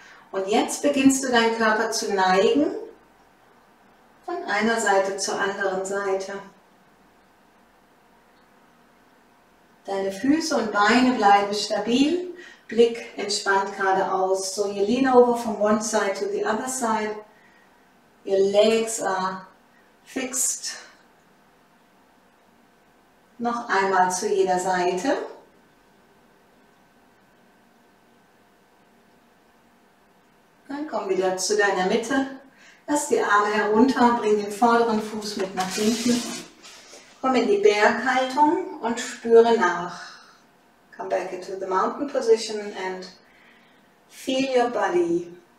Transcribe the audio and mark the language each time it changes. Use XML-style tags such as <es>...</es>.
<de>Und jetzt beginnst du deinen Körper zu neigen von einer Seite zur anderen Seite. Deine Füße und Beine bleiben stabil, Blick entspannt geradeaus.</de> <en>So, you lean over from one side to the other side. Your legs are fixed.</en> <de>Noch einmal zu jeder Seite. Dann komm wieder zu deiner Mitte. Lass die Arme herunter, bring den vorderen Fuß mit nach hinten. Komm in die Berghaltung und spüre nach.</de> <en>Come back into the mountain position and feel your body.</en>